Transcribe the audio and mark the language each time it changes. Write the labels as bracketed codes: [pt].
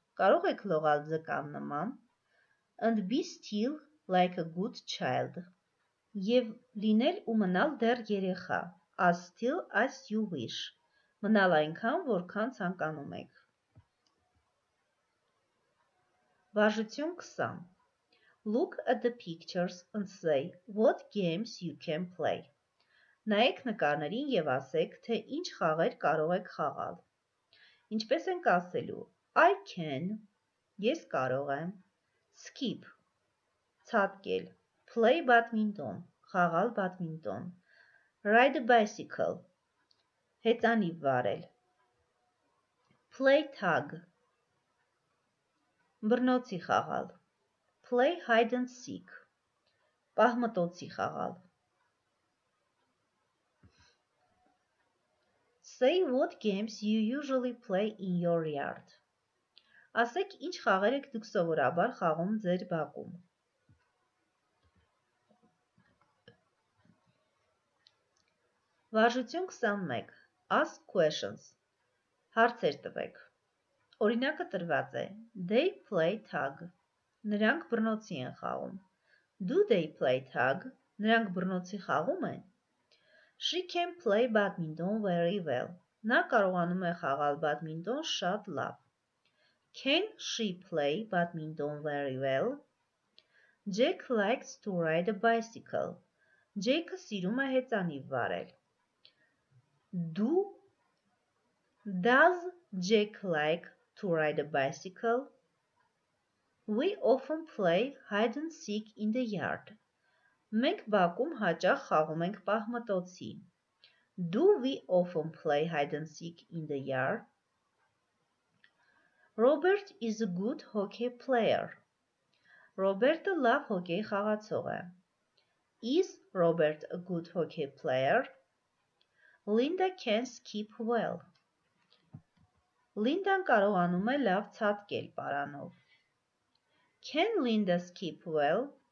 [hy] Կարող եք լողալ ձկան նման? [en] And be still like a good child. [hy] Եվ լինել ու մնալ դեռ երեխա. [en] As still as you wish. [hy] Մնալ այնքան, որքան ցանկանում եք. Վարժություն 20. [en] Look at the pictures and say what games you can play. [hy] Նայեք նկարներին եւ ասեք, թե ինչ խաղեր կարող եք խաղալ. Ինչպես ենք ասելու. [en] I can, [hy] ես կարող եմ, [en] skip, [hy] ցատկել, [en] play badminton, [hy] խաղալ badminton, [en] ride a bicycle, [hy] հեծանիվ վարել, [en] play tag, [hy] բռնոցի խաղալ, [en] play hide and seek, [hy] պահմտոցի խաղալ. [en] Say what games you usually play in your yard. [hy] Ասեք, ինչ խաղեր եք դուք սովորաբար խաղում ձեր բակում. Վարժություն 21. [en] Ask questions. [hy] Հարցեր տվեք. Օրինակը տրված է. [en] They play tag. [hy] Նրանք բռնոցի են խաղում. [en] Do they play tag? [hy] Նրանք բռնոցի խաղում են? [en] She can play badminton very well. [hy] Նա կարողանում է խաղալ badminton շատ լավ. [en] Can she play badminton very well? Jack likes to ride a bicycle. [hy] Jake-ը սիրում է հեծանիվ վարել. [en] Does Jack like to ride a bicycle? We often play hide and seek in the yard. [hy] Մենք բակում հաճախ խաղում ենք պահմտոցի. [en] Do we often play hide and seek in the yard? Robert is a good hockey player. [hy] Ռոբերտը լավ հոկեյ խաղացող է. [en] Is Robert a good hockey player? [hy] Linda can skip well. Լինդան կարողանում է լավ ցատկել պարանով. [en] Can Linda skip well?